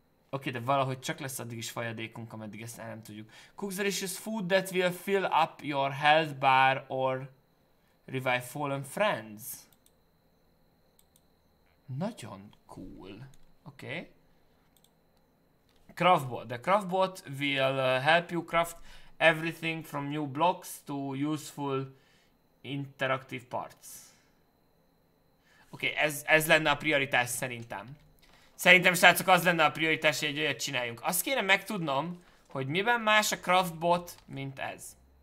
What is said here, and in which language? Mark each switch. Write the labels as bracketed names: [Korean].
[Hungarian] Oké, de valahogy csak lesz addig is folyadékunk, ameddig ezt el nem tudjuk. [English] Cooks delicious food that will fill up your health bar or revive fallen friends. [Hungarian] Nagyon cool. Oké. Craftbot. [English] The craftbot will help you craft everything from new blocks to useful interactive parts. [Hungarian] Oké, okay, ez lenne a prioritás szerintem. Szerintem, srácok, az lenne a prioritás, hogy egy olyat csináljunk. Azt kéne megtudnom, hogy miben más a craftbot, mint ez.